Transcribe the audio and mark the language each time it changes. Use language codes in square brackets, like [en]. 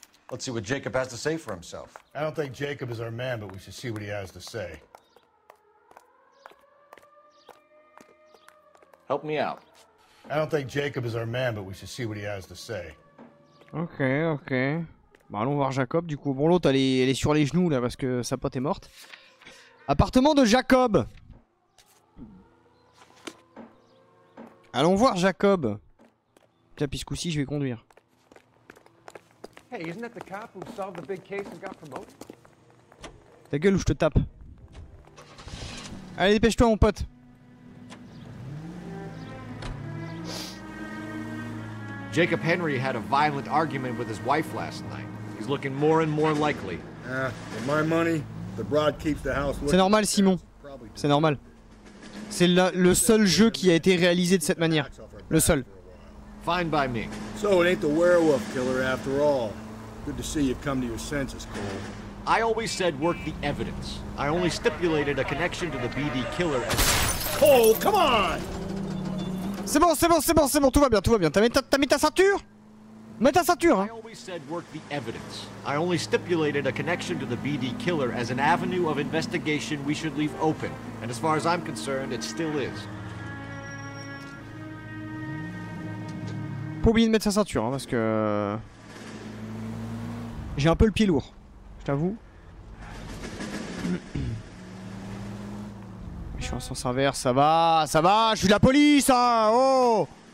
[en] Let's see what Jacob has to say for himself. I don't think Jacob is our man, but we should see what he has to say. Help me out. I don't think Jacob is our man, but we should see what he has to say. Ok, ok. [fr] Bah allons voir Jacob du coup. Bon l'autre elle est sur les genoux là parce que sa pote est morte. Appartement de Jacob. Allons voir Jacob. Tiens, puis ce coup-ci je vais conduire. [en] Hey, isn't that the cop who solved the big case and got promoted? [fr] Ta gueule ou je te tape. Allez, dépêche-toi, mon pote. [en] Jacob Henry had a violent argument with his wife last night. He's looking more and more likely. With my money, the broad keeps the house. [fr] C'est normal, Simon. C'est normal. C'est le seul jeu qui a été réalisé de cette manière. Le seul. [en] Fine by me. So it ain't the werewolf killer after all. Good to see you come to your senses, Cole. I always said work the evidence. I only stipulated a connection to the BD killer as... Cole, come on! [fr] C'est bon, c'est bon, c'est bon, c'est bon, tout va bien, tout va bien. T'as mis ta ceinture? Mets ta ceinture, hein! [en] I always said work the evidence. I only stipulated a connection to the BD killer as an avenue of investigation we should leave open. And as far as I'm concerned, it still is. [fr] Pas oublié de mettre sa ceinture, hein, parce que... J'ai un peu le pied lourd, je t'avoue. Je suis en sens inverse, ça va, je suis de la police, hein, oh!